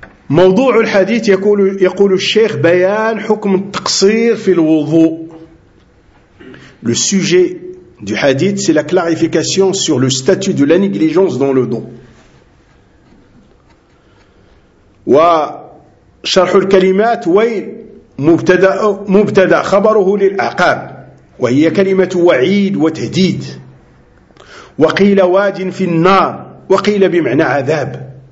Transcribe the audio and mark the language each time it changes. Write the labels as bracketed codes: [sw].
[ar] موضوع الحديث يقول الشيخ بيان حكم التقصير في الوضوء. [fr] Le sujet du hadith, c'est la clarification sur le statut de la négligence dans le don. [ar] وشرح الكلمات ويل مبتدا خبره للأعقاب وهي كلمة وعيد وتهديد وقيل واد في النار وقيل بمعنى عذاب.